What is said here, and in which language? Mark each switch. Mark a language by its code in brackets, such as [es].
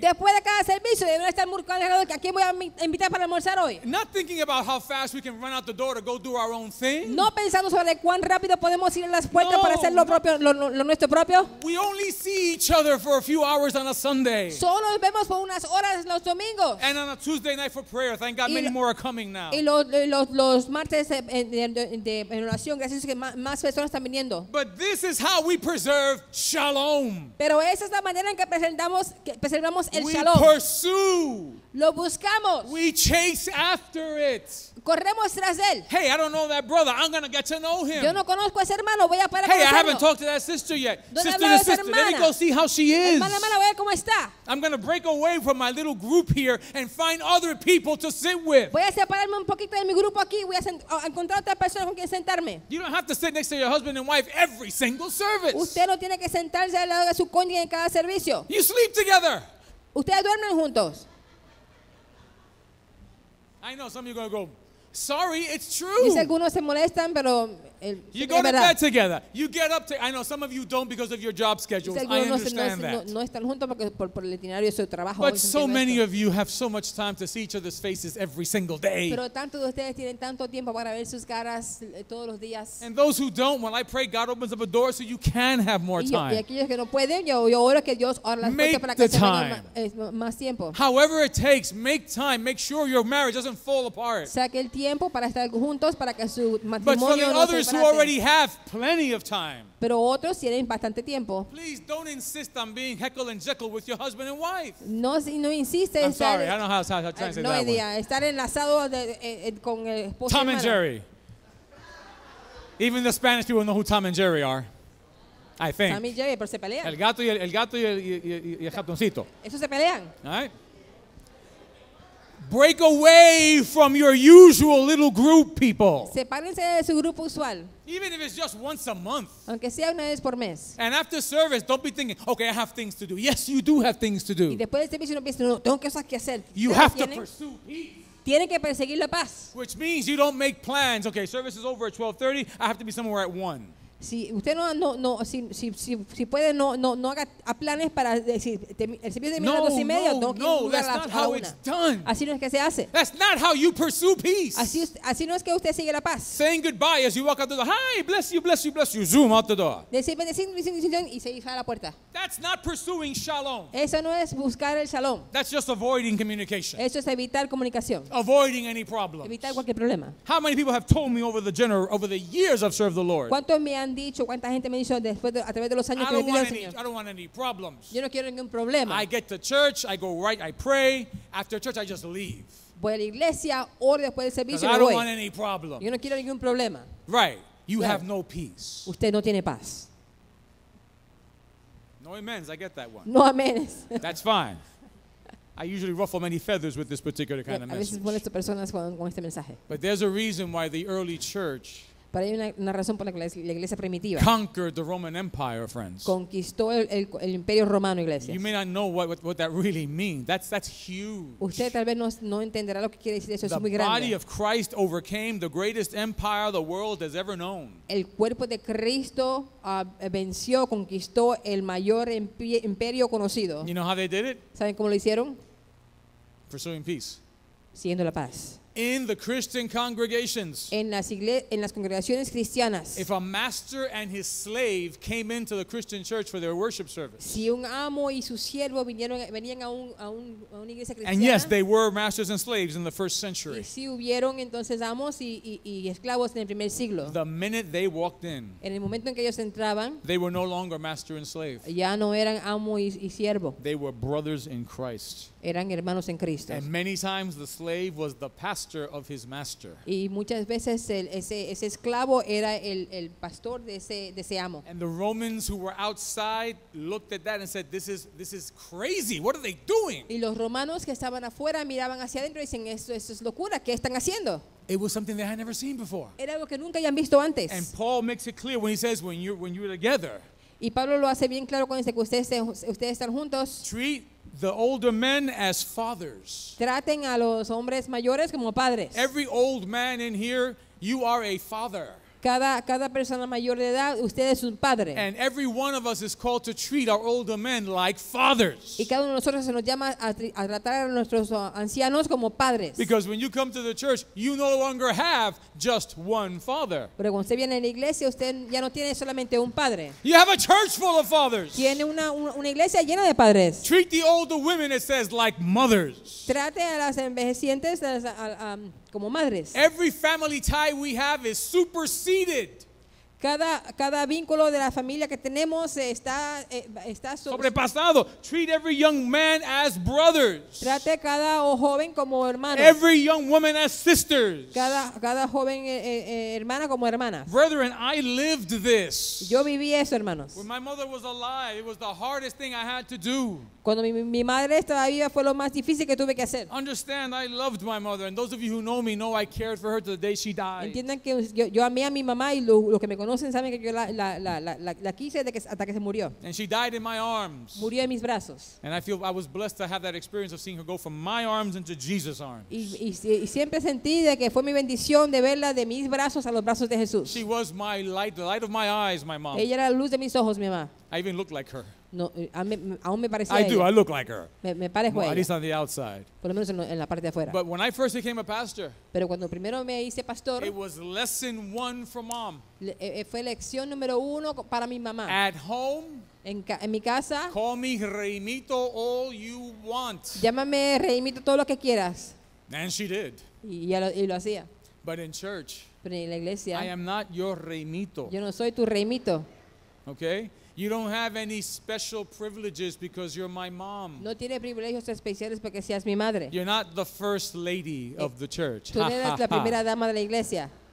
[es] Después de cada servicio, debemos estar buscando a quién voy a invitar para almorzar hoy. [en] Not thinking about how fast we can run out the door to go do our own thing. [es] No pensando sobre cuán rápido podemos ir a las puertas para hacer lo propio, lo nuestro propio. [en] We only see each other for a few hours on a Sunday. [es] Solo vemos por unas horas los domingos. [en] And on a Tuesday night for prayer, thank God many more are coming now. [es] Y los martes en oración, gracias que más personas están viniendo. [en] But this is how we preserve shalom. [es] Pero esa es la manera en que preservamos el shalom. [en] We pursue. [es] Lo buscamos. [en] We chase after it. [es] Corremos tras él. [en] Hey, I don't know that brother. I'm going to get to know him. [es] Yo no conozco a ese hermano. Voy a para [en] hey, I haven't talked to that sister yet. Sister to sister. [es] Hermana. [en] Let me go see how she is. [es] Hermana, voy a ver cómo está. [en] I'm going to break away from my little group here and find other people to sit with. [es] Voy a separarme un poquito de mi grupo aquí. Voy a encontrar otra persona con quien sentarme. [en] You don't have to sit next to your husband and wife every single service. [es] Usted no tiene que sentarse al lado de su cónyuge en cada servicio. [en] You sleep together. [es] Ustedes duermen juntos. [en] I know some of you are going to go, sorry, it's true. [es] Dice algunos se molestan, pero [en] you go to bed together. You get up to. I know some of you don't because of your job schedules. I understand that. [es] No están juntos porque por el itinerario de su trabajo. [en] But so many of you have so much time to see each other's faces every single day. [es] Pero tantos de ustedes tienen tanto tiempo para ver sus caras todos los días. [en] And those who don't, well, I pray God opens up a door so you can have more time. [es] Y aquellos que no pueden, yo oro que Dios abra las puertas para que tengan más tiempo. [en] However it takes, make time. Make sure your marriage doesn't fall apart. [es] Saque el tiempo para estar juntos para que su matrimonio no se [en] who already have plenty of time. [es] Pero otros tienen bastante tiempo. [en] Please don't insist on being Heckle and Jekyll with your husband and wife. [es] No insiste. [en] I'm sorry, I don't know how to translate no that. No idea. [es] Estar enlazado con el esposo. [en] Tom and Jerry. Even the Spanish people know who Tom and Jerry are. I think. [es] Tom y Jerry, pero se pelean. El gato y el ratoncito. Eso se pelean. [en] All right. Break away from your usual little group, people. [es] Sepárense de su grupo usual. [en] Even if it's just once a month. [es] Aunque sea una vez por mes. [en] And after service, don't be thinking, okay, I have things to do. Yes, you do have things to do. [es] Y después de servicio, no piensen, no, tengo cosas que hacer. [en] You have to pursue peace. [es] Tiene que perseguir la paz. [en] Which means you don't make plans. Okay, service is over at 12:30. I have to be somewhere at 1. [es] Si usted no puede no haga planes para decir el servicio termina a las 2:30, [en] no, that's not how it's done. [es] Así no es que se hace. [en] That's not how you pursue peace. [es] Así no es que usted sigue la paz. [en] Saying goodbye as you walk out the door. Hi, bless you. Zoom out the door. [es] Decir bendición y se va a la puerta. [en] That's not pursuing shalom. [es] Eso no es buscar el shalom. [en] That's just avoiding communication. [es] Eso es evitar comunicación. [en] Avoiding any problems. [es] Evitar cualquier problema. [en] How many people have told me over the years I've served the Lord? [es] Han dicho cuánta gente me dijo después a través de los años que le pido al Señor. Yo no quiero ningún problema. [en] I get to church, I go right, I pray. After church, I just leave. [es] Voy a la iglesia o después del servicio. [en] I don't want any problem. [es] Yo no quiero ningún problema. [en] Right, you have no peace. [es] Usted no tiene paz. [en] No amens, I get that one. No amens. That's fine. I usually ruffle many feathers with this particular kind of message. [es] A veces molesto personas con este mensaje. [en] But there's a reason why the early church. [es] Pero hay una razón por la que la iglesia primitiva [en] conquered the Roman Empire, friends. [es] Conquistó el imperio romano, iglesias. [en] You may not know what that really means. That's huge. [es] Usted tal vez no entenderá lo que quiere decir eso. Es muy grande. [en] The body of Christ overcame the greatest empire the world has ever known. [es] El cuerpo de Cristo venció, conquistó el mayor imperio conocido. [en] You know how they did it? [es] ¿Saben cómo lo hicieron? [en] Pursuing peace. [es] Siguiendo la paz. [en] In the Christian congregations, [es] en las congregaciones cristianas, [en] if a master and his slave came into the Christian church for their worship service, [es] si un amo y su siervo venían a una iglesia cristiana, [en] and yes, they were masters and slaves in the first century. [es] Y si hubieron entonces amos y esclavos en el primer siglo. [en] The minute they walked in, [es] en el momento en que ellos entraban, [en] they were no longer master and slave. [es] Ya no eran amo y siervo. [en] They were brothers in Christ. [es] Eran hermanos en Cristo. [en] And many times the slave was the pastor of his master. [es] Y muchas veces ese esclavo era el pastor de ese amo. [en] And the Romans who were outside looked at that and said, this is crazy. What are they doing? [es] Y los romanos que estaban afuera miraban hacia adentro y dicen, esto es locura. ¿Qué están haciendo? [en] It was something they had never seen before. [es] Era algo que nunca habían visto antes. [en] And Paul makes it clear when he says, when you're together. [es] Y Pablo lo hace bien claro cuando dice que ustedes están juntos. [en] Treat the older men as fathers. [es] Traten a los hombres mayores como padres. [en] Every old man in here, you are a father. [es] Cada persona mayor de edad, usted es un padre. [en] And every one of us is called to treat our older men like fathers. [es] Y cada uno de nosotros se nos llama a tratar a nuestros ancianos como padres. [en] Because when you come to the church, you no longer have just one father. [es] Pero cuando usted viene a la iglesia, usted ya no tiene solamente un padre. [en] You have a church full of fathers. [es] Tiene una iglesia llena de padres. [en] Treat the older women, it says, like mothers. [es] Trate a las envejecientes como madres. [en] Every family tie we have is superseded. [es] Cada vínculo de la familia que tenemos está sobrepasado. [en] Treat every young man as brothers. [es] Trate cada joven como hermano. [en] Every young woman as sisters. [es] Cada joven hermana como hermanas. [en] Brethren, I lived this. [es] Yo viví eso, hermanos. [en] When my mother was alive, it was the hardest thing I had to do. [es] Cuando mi madre estaba viva fue lo más difícil que tuve que hacer. [en] Understand, I loved my mother, and those of you who know me know I cared for her to the day she died. [es] Entiendan que yo amé a mi mamá y lo que me conocen saben que yo la quise hasta que se murió. [en] And she died in my arms. [es] Murió en mis brazos. [en] And I feel I was blessed to have that experience of seeing her go from my arms into Jesus' arms. [es] Y siempre sentí de que fue mi bendición de verla de mis brazos a los brazos de Jesús. [en] She was my light, the light of my eyes, my mom. [es] Ella era la luz de mis ojos, mi mamá. [en] I even looked like her. [es] No, aún me parecía. [en] I do. [es] Ella. [en] I look like her. [es] Me parezco [en] well, [es] a ella. [en] At least on the outside. [es] Por lo menos en la parte de afuera. [en] But when I first became a pastor, [es] pero cuando primero me hice pastor, [en] it was lesson one for mom. [es] Fue lección número uno para mi mamá. [en] At home, [es] en mi casa, [en] call me Reimito all you want. [es] Llámame Reimito todo lo que quieras. [en] And she did. [es] Y lo hacía. [en] But in church, [es] pero en la iglesia, [en] I am not your Reimito. [es] Yo no soy tu Reimito. [en] Okay. You don't have any special privileges because you're my mom. [es] No tiene privilegios especiales porque seas mi madre. [en] You're not the first lady of the church. [es] Tú no eres la primera dama de la iglesia.